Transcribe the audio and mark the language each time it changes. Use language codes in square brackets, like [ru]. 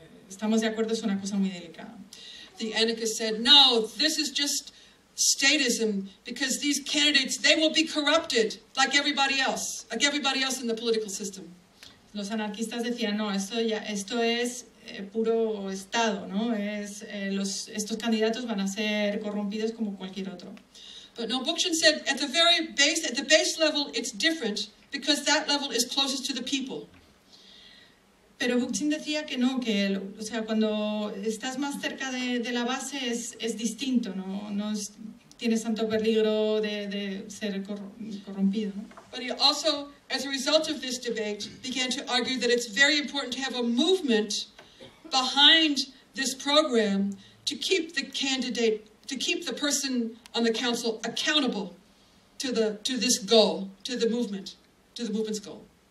[es] Estamos de acuerdo, es una cosa muy delicada. [en] The anarchist said, no, this is just statism, because these candidates, they will be corrupted like everybody else in the political system. [es] Los anarquistas decían, no, esto es puro estado, ¿no? Estos candidatos van a ser corrompidos como cualquier otro. [en] But no, Bookchin said, at the base level, it's different, because that level is closest to the people. [es] Pero Bookchin decía que no, que o sea, cuando estás más cerca de la base es distinto, ¿no? No tienes tanto peligro de ser corrompido, ¿no? [en] But he also, as a result of this debate, began to argue that it's very important to have a movement behind this program to keep the candidate, to keep the person on the council accountable to the movement's goal.